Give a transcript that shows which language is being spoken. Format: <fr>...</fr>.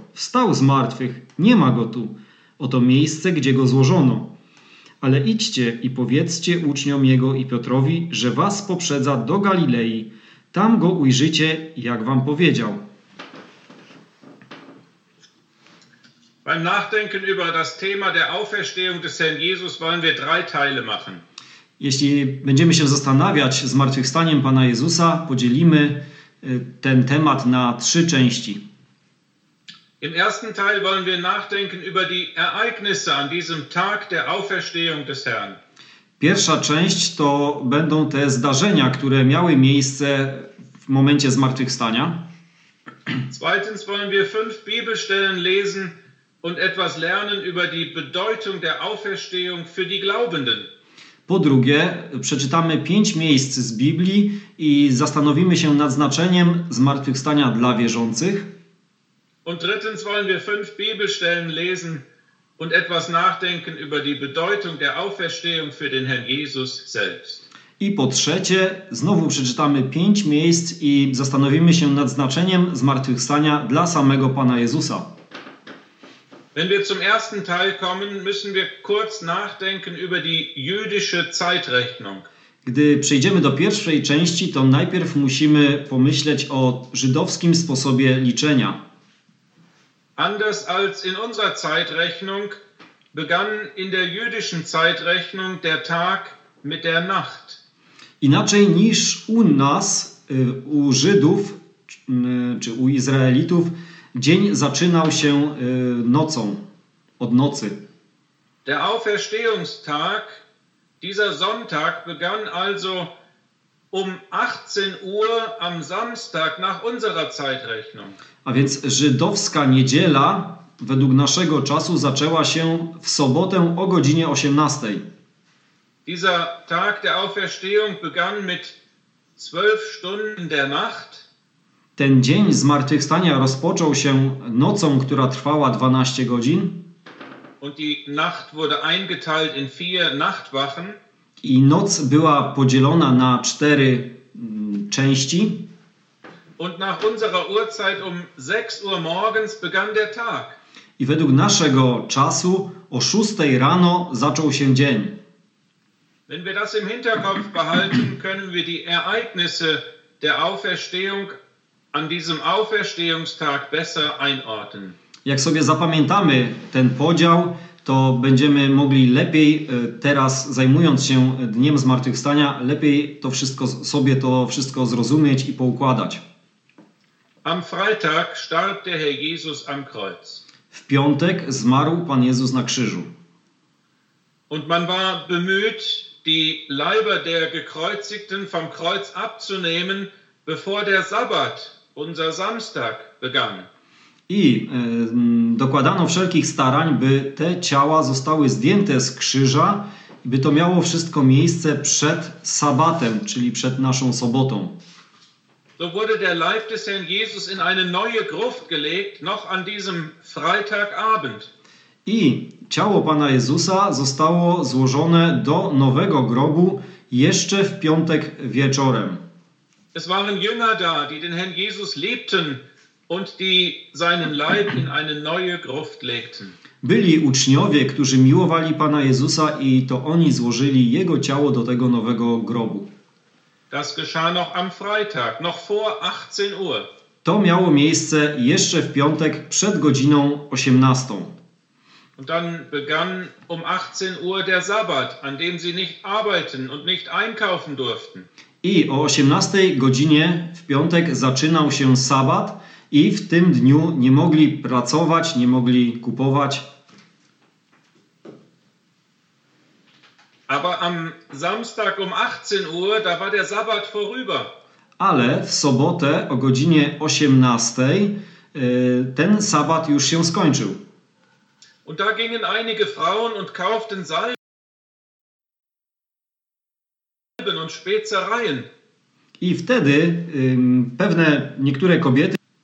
<pl>Wstał z martwych, nie ma go tu. Oto miejsce, gdzie go złożono. Ale idźcie i powiedzcie uczniom jego i Piotrowi, że was poprzedza do Galilei. Tam go ujrzycie, jak wam powiedział.</pl> <de>Beim Nachdenken über das Thema der Auferstehung des Herrn Jesus wollen wir drei Teile machen.</de> <pl>Jeśli będziemy się zastanawiać zmartwychwstaniem Pana Jezusa, podzielimy ten temat na trzy części.</pl> <de>Im ersten Teil wollen wir nachdenken über die Ereignisse an diesem Tag der Auferstehung des Herrn.</de> <pl>Pierwsza część to będą te zdarzenia, które miały miejsce w momencie zmartwychwstania.</pl> <de>Zweitens wollen wir fünf Bibelstellen lesen und etwas lernen über die Bedeutung der Auferstehung für die Glaubenden.</de> <pl>Po drugie, przeczytamy pięć miejsc z Biblii i zastanowimy się nad znaczeniem zmartwychwstania dla wierzących.</pl> <de>Und drittens wollen wir fünf Bibelstellen lesen und etwas nachdenken über die Bedeutung der Auferstehung für den Herrn Jesus selbst.</de> <pl>I po trzecie, znowu przeczytamy pięć miejsc i zastanowimy się nad znaczeniem zmartwychwstania dla samego Pana Jezusa.</pl> <de>Wenn wir zum ersten Teil kommen, müssen wir kurz nachdenken über die jüdische Zeitrechnung.</de> <pl>Gdy przejdziemy do pierwszej części, to najpierw musimy pomyśleć o żydowskim sposobie liczenia.</pl> <de>Anders als in unserer Zeitrechnung begann in der jüdischen Zeitrechnung der Tag mit der Nacht.</de> <pl>Inaczej niż u nas, u Żydów czy u Izraelitów, dzień zaczynał się nocą, od nocy.</pl> <de>Der Auferstehungstag, dieser Sonntag, begann also um 18 Uhr am Samstag nach unserer Zeitrechnung.</de> <pl>A więc żydowska niedziela według naszego czasu zaczęła się w sobotę o godzinie 18.</pl> <de>Dieser Tag der Auferstehung begann mit 12 Stunden der Nacht.</de> <pl>Ten dzień zmartwychwstania rozpoczął się nocą, która trwała 12 godzin.</pl> <de>Und die Nacht wurde eingeteilt in vier Nachtwachen.</de> <pl>I noc była podzielona na cztery części.</pl> <de>Und nach unserer Uhrzeit um 6 Uhr morgens begann der Tag.</de> <pl>I według naszego czasu o 6 rano zaczął się dzień.</pl> <de>Wenn wir das im Hinterkopf behalten, können wir die Ereignisse der Auferstehung an diesem Auferstehungstag besser einordnen.</de> <pl>Jak sobie zapamiętamy ten podział, to będziemy mogli lepiej teraz, zajmując się dniem zmartwychwstania, lepiej to wszystko sobie to wszystko zrozumieć i poukładać.</pl> <de>Am Freitag starb der Herr Jesus am Kreuz.</de> <pl>W piątek zmarł Pan Jezus na krzyżu.</pl> <de>Und man war bemüht, die Leiber der Gekreuzigten vom Kreuz abzunehmen, bevor der Sabbat unser Samstag begann.</de> <pl>I dokładano wszelkich starań, by te ciała zostały zdjęte z krzyża, by to miało wszystko miejsce przed sabatem, czyli przed naszą sobotą.</pl> <de>So wurde der Leib des Herrn Jesus in eine neue Gruft gelegt, noch an diesem Freitagabend.</de> <pl>I ciało Pana Jezusa zostało złożone do nowego grobu jeszcze w piątek wieczorem.</pl> <de>Es waren Jünger da, die den Herrn Jesus liebten und die seinen Leib in eine neue Gruft legten.</de> <pl>Byli uczniowie, którzy miłowali Pana Jezusa i to oni złożyli Jego ciało do tego nowego grobu.</pl> <de>Das geschah noch am Freitag, noch vor 18 Uhr.</de> <pl>To miało miejsce jeszcze w piątek przed godziną 18.</pl> <de>Und dann begann um 18 Uhr der Sabbat, an dem sie nicht arbeiten und nicht einkaufen durften.</de> <pl>I o 18 godzinie w piątek zaczynał się Sabbat i w tym dniu nie mogli pracować, nie mogli kupować.</pl> <de>Aber am Samstag um 18 Uhr, da war der Sabbat vorüber.</de> <pl>Ale w sobotę o godzinie 18 ten Sabbat już się skończył.</pl> <de>Und da gingen einige Frauen und kauften Salben und Spezereien.</de> <pl>I wtedy pewne niektóre kobiety.</pl>